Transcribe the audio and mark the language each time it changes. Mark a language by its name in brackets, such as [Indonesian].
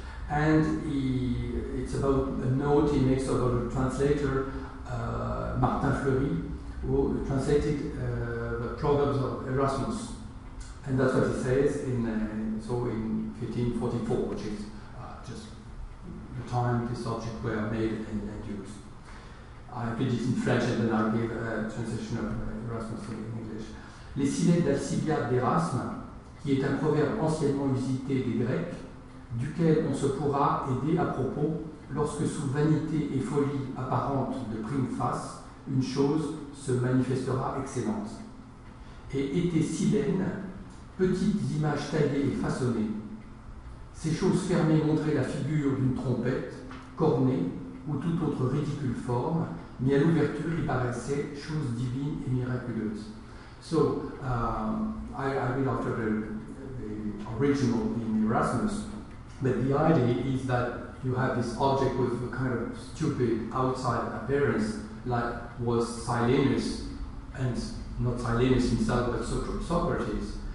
[English] And it's about a note he makes about a translator, Martin Fleury, who translated the Proverbs of Erasmus. And that's what he says in 1544, which is just the time this object were made and used. I read it in French and then I'll give a translation of Erasmus in English. [French] Les sylètes d'Alcibiade d'Erasme, qui est un proverbe anciennement usité des Grecs, duquel on se pourra aider à propos lorsque sous vanité et folie apparente de prime face, une chose se manifestera excellente. Et était sylène, petites images taillées et façonnées. Ces choses fermées montraient la figure d'une trompette, cornée ou toute autre ridicule forme, mais à l'ouverture y paraissait chose divine et miraculeuse. [English] So, I read after the original in Erasmus, but the idea is that you have this object with a kind of stupid outside appearance, like was Silenus, and not Silenus himself, but Socrates.